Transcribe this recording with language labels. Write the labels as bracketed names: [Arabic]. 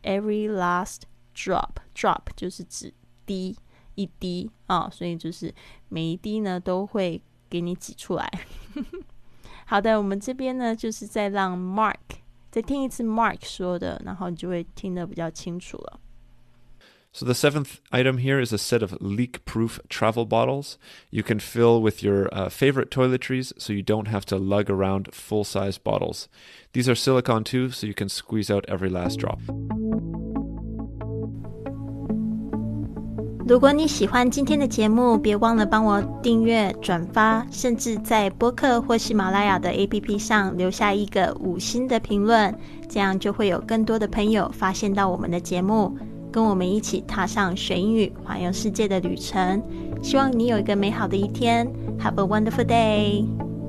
[English] every last drop [Chinese] 就是指滴，一滴、所以就是每一滴呢都会给你挤出来。好的，我们这边呢就是再让 Mark 再听一次 Mark 说的，然后你就会听得比较清楚了。 [English] So the seventh item here is a set of leak-proof travel bottles. You can fill with your favorite toiletries so you don't have to lug around full-size bottles. These are silicone too, so you can squeeze out every last drop. [Chinese] 如果你喜欢今天的节目，别忘了帮我订阅、转发，甚至在播客或喜马拉雅的 APP 上留下一个五星的评论，这样就会有更多的朋友发现到我们的节目，跟我们一起踏上学英语、环游世界的旅程。希望你有一个美好的一天。 [English] Have a wonderful day!